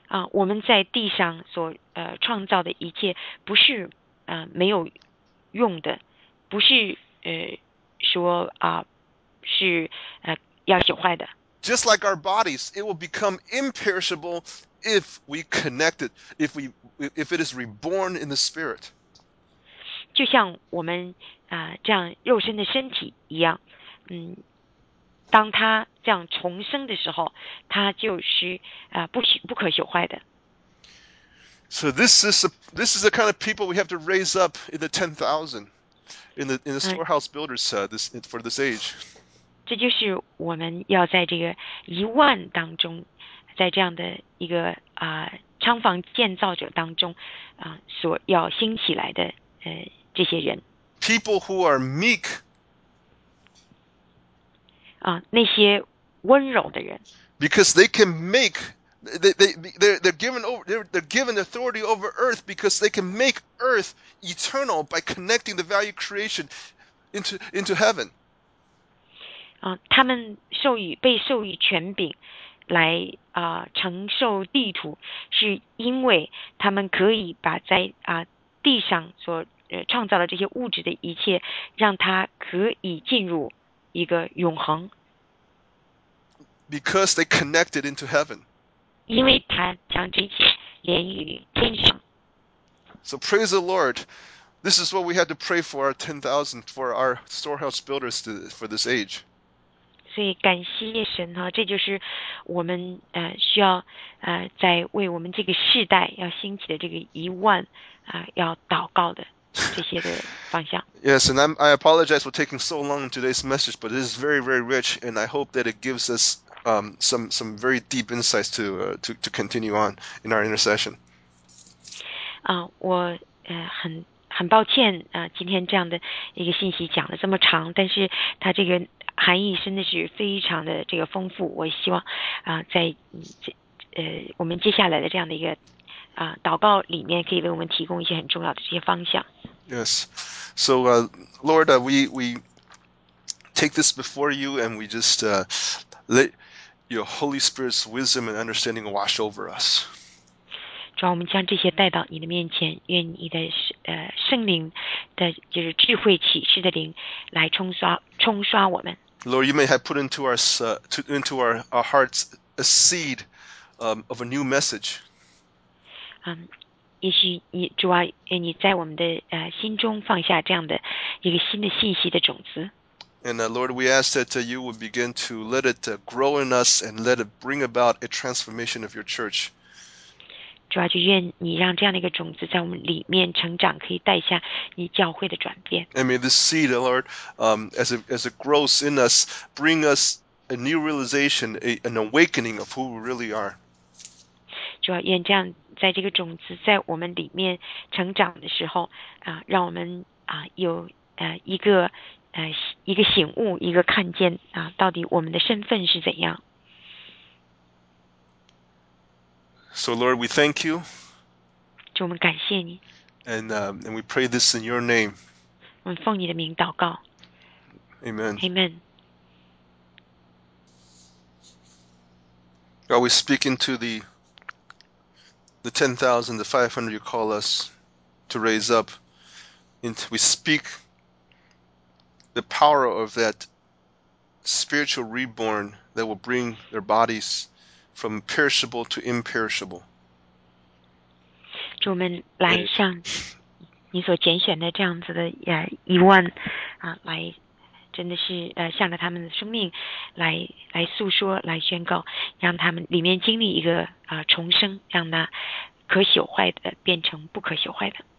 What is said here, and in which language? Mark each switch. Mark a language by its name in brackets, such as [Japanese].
[Chinese] 我们在地上所创造的一切不是没有用的，不是说是要朽坏的。 [English] Just like our bodies, it will become imperishable if we connect it, if it is reborn in the spirit. [Chinese] 就像我们这样肉身的身体一样，当他这样重生的时候，他就是不可朽坏的。 [English] So this is the kind of people we have to raise up in the 10,000 in the storehouse builders for this age. [Chinese] 这就是我们要在这个一万当中，在这样的一个仓房建造者当中所要兴起来的这些人。 [English] People who are meek. [Chinese] 那些温柔的人。 [English] Because they can make. They're given authority over earth because they can make earth eternal by connecting the value creation into heaven. [Chinese] 他们被授予权柄来承受地土，是因为他们可以把在地上所创造的这些物质的一切，让它可以进入一个永恒。 [English] Because they connected into heaven. [Chinese] 因为他将这些连于天上。 [English] So praise the Lord, this is what we had to pray for our 10,000 for our storehouse builders for this age. [Chinese] 所以感谢神哈，这就是我们需要在为我们这个世代要兴起的这个一万要祷告的这些的方向。 [English] Yes, and I apologize for taking so long in today's message, but it is very, very rich, and I hope that it gives us some very deep insights to continue on in our intercession. [Chinese] 我很抱歉今天这样的一个信息讲了这么长，但是它这个。含义真的是非常的这个丰富，我希望在我们接下来的这样的一个祷告里面，可以为我们提供一些很重要的这些方向。 [English] Yes, so Lord, we take this before you, and we just let your Holy Spirit's wisdom and understanding wash over us. [Chinese] 主要我们将这些带到你的面前，愿你的圣灵的就是智慧启示的灵来冲刷我们。 [English] Lord, you may have put into our hearts a seed of a new message. [Chinese] 也许你主啊，你在我们的心中放下这样的一个新的信息的种子。 [English] And Lord, we ask that you would begin to let it grow in us and let it bring about a transformation of your church. [Chinese] 主啊，就愿你让这样的一个种子在我们里面成长，可以带下你教会的转变。 [English] And may this seed, Lord, as it grows in us, bring us a new realization, an awakening of who we really are. [Chinese] 主啊，愿这样在这个种子在我们里面成长的时候，让我们有一个醒悟，一个看见到底我们的身份是怎样。 [English] So Lord, we thank you. [Chinese] 主，我们感谢你。 [English] And we pray this in your name. [Chinese] 我们奉你的名祷告。 [English] Amen. Amen. God, we speak into the 10,000, the 500 you call us to raise up. We speak the power of that spiritual reborn that will bring their bodies from perishable to imperishable. [Chinese] 主，我们来向你所拣选的这样子的一万来真的是向着他们的生命来诉说，来宣告，让他们里面经历一个重生，让那可朽坏的变成不可朽坏的。